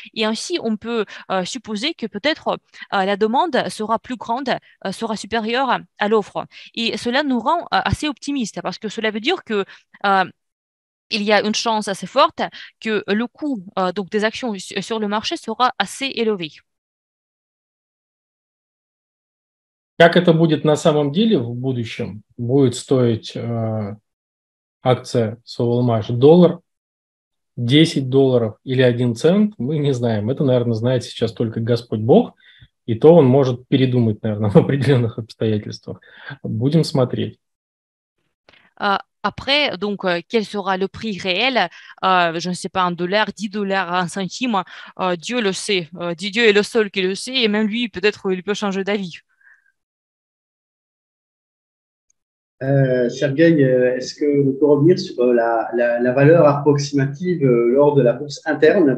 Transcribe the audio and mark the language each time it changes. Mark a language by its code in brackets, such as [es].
[fr] Et ainsi, on peut supposer que peut-être la demande sera plus grande, sera supérieure à l'offre. Et cela nous rend assez optimistes parce que cela veut dire qu'il y a une chance assez forte que le coût donc des actions sur le marché sera assez élevé. [ru] Как это будет на самом деле в будущем? Будет стоить акция Sovelmash доллар, 10 долларов или 1 цент? Мы не знаем. Это, наверное, знает сейчас только Господь Бог. И то он может передумать, наверное, в определенных обстоятельствах. Будем смотреть. [fr] Après, donc, quel sera le prix réel? Je ne sais pas, $1, $10, 1 centime. Dieu le sait. Dieu est le seul qui le sait. Et même lui, peut-être, il peut changer d'avis. Sergueï, est-ce que vous pouvez revenir sur la valeur approximative lors de la bourse interne?